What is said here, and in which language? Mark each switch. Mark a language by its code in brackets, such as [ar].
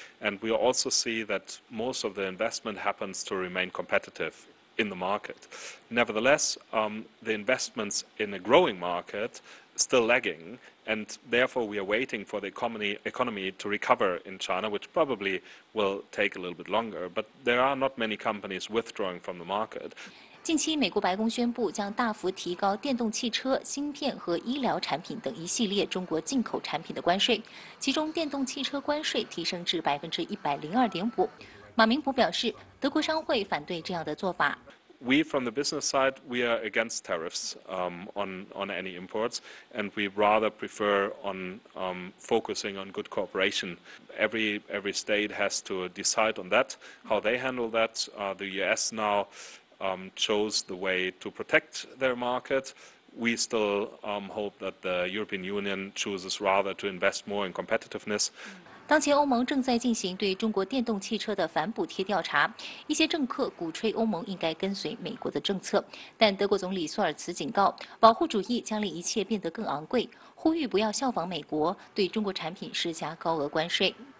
[en] And we also see that most of the investment happens to remain competitive in the market. Nevertheless, the investments in a growing market still lagging, and therefore we are waiting for the economy to recover in China, which probably will take a little bit longer. But there are not many companies withdrawing from the market. [zh] 近期，美国白宫宣布将大幅提高电动汽车、芯片和医疗产品等一系列中国进口产品的关税，其中电动汽车关税提升至102.5%。马明普表示，德国商会反对这样的做法。 [en] We from the business side, we are against tariffs on any imports, and we rather prefer on focusing on good cooperation. Every state has to decide on that, how they handle that. The U.S. now. Chose the way to protect their market. We still hope that the European Union chooses rather to invest more in competitiveness. [zh] 当前欧盟正在进行对中国电动汽车的反补贴调查，一些政客鼓吹欧盟应该跟随美国的政策，但德国总理索尔茨警告，保护主义将令一切变得更昂贵，呼吁不要效仿美国对中国产品施加高额关税。